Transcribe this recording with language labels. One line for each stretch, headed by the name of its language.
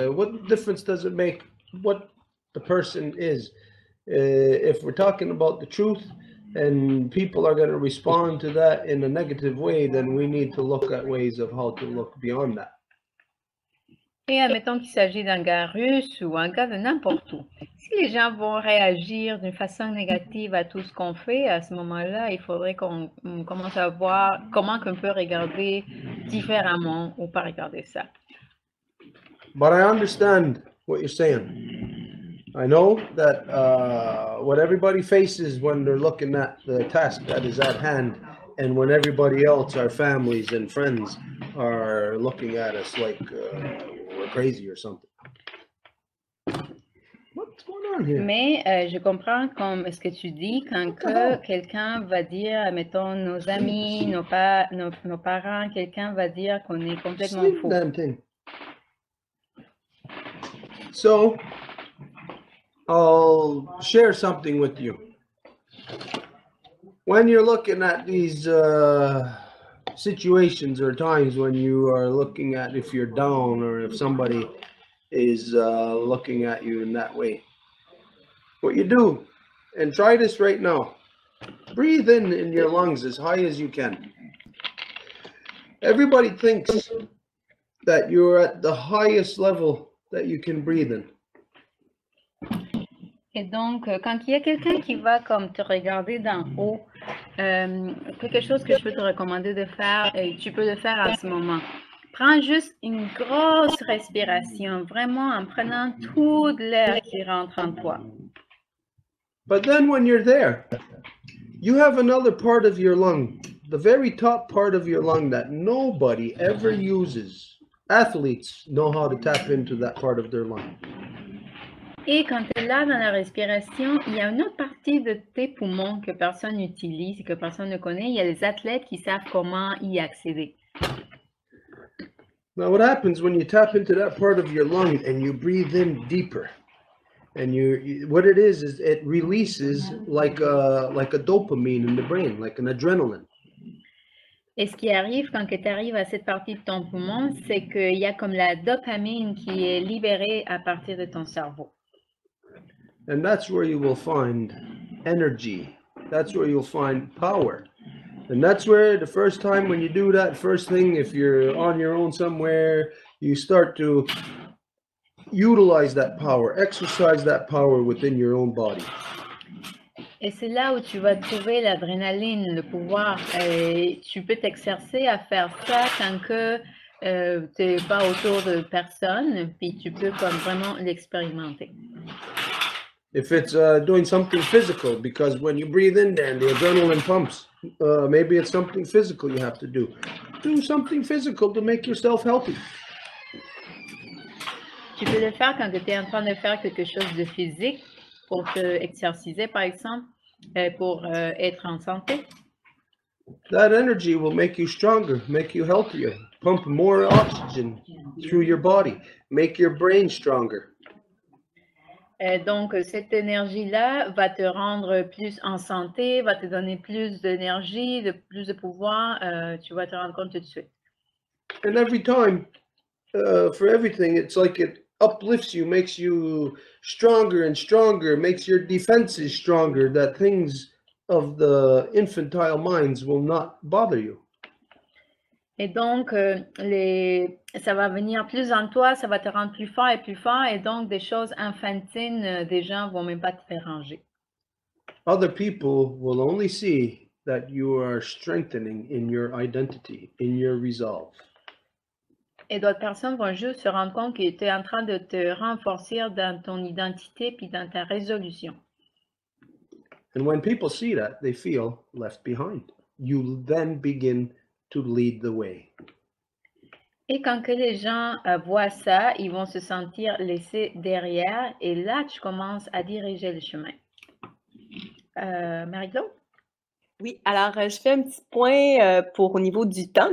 English: What difference does it make what the person is? If we're talking about the truth and people are going to respond to that in a negative way, then we need to look at ways of how to look beyond that.
French: Et admettons qu'il s'agit d'un gars russe ou un gars de n'importe où. Si les gens vont réagir d'une façon négative à tout ce qu'on fait, à ce moment-là, il faudrait qu'on commence à voir comment qu'on peut regarder différemment ou pas regarder ça.
English: But I understand what you're saying. I know that what everybody faces when they're looking at the task that is at hand and when everybody else, our families and friends, are looking at us like... crazy or something. What's going on here?
French: Mais je comprends comme ce que tu dis quand que quelqu'un va dire, mettons nos amis, nos parents, quelqu'un va dire qu'on est complètement fou.
English: Same thing. So, I'll share something with you. When you're looking at these situations or times when you are looking at if you're down or if somebody is looking at you in that way. What you do, and try this right now, breathe in your lungs as high as you can. Everybody thinks that you're at the highest level that you can breathe in.
French: Et donc, quand il y a quelqu'un qui va comme te regarder d'en haut, quelque chose que je peux te recommander de faire, et tu peux le faire à ce moment. Prends juste une grosse respiration, vraiment en prenant tout l'air qui rentre en toi.
English: But then when you're there, you have another part of your lung, the very top part of your lung that nobody ever uses. Athletes know how to tap into that part of their lung.
French: Et quand tu es là dans la respiration, il y a une autre partie de tes poumons que personne n'utilise et que personne ne connaît. Il y a les athlètes qui savent comment y accéder.
English: Now, what happens when you tap into that part of your lung and you breathe in deeper? And you, what it is it releases like a dopamine in the brain, like an adrenaline.
French: Et ce qui arrive quand tu arrives à cette partie de ton poumon, c'est qu'il y a comme la dopamine qui est libérée à partir de ton cerveau.
English: And that's where you will find energy. That's where you'll find power. And that's where the first time when you do that first thing, if you're on your own somewhere, you start to utilize that power, exercise that power within your own body.
French: Et c'est là où tu vas trouver l'adrénaline, le pouvoir. Tu peux t'exercer à faire ça tant que tu n'es pas autour de personne, puis tu peux comme vraiment l'expérimenter.
English: If it's doing something physical, because when you breathe in there and the adrenaline pumps, maybe it's something physical you have to do. Do something physical to make yourself healthy.
French: Tu peux le faire quand tu es en train de faire quelque chose de physique pour te exerciser, par exemple, pour être en santé.
English: That energy will make you stronger, make you healthier, pump more oxygen through your body, make your brain stronger.
French: Donc, cette énergie-là va te rendre plus en santé, va te donner plus d'énergie, de plus de pouvoir, tu vas te rendre compte tout de suite.
English: And every time, for everything, it's like it uplifts you, makes you stronger and stronger, makes your defenses stronger, that things of the infantile minds will not bother you.
French: Et donc, ça va venir plus en toi, ça va te rendre plus fort et plus fort, et donc des choses enfantines, des gens vont même pas te déranger.
English: Other people will only see that you are strengthening in your identity, in your resolve.
French: Et d'autres personnes vont juste se rendre compte que tu es en train de te renforcer dans ton identité puis dans ta résolution.
English: And when people see that, they feel left behind. You then begin to lead the way.
French: Et quand que les gens voient ça, ils vont se sentir laissés derrière et là tu commences à diriger le chemin. Marie-Claude? Oui, alors je fais un petit point pour au niveau du temps.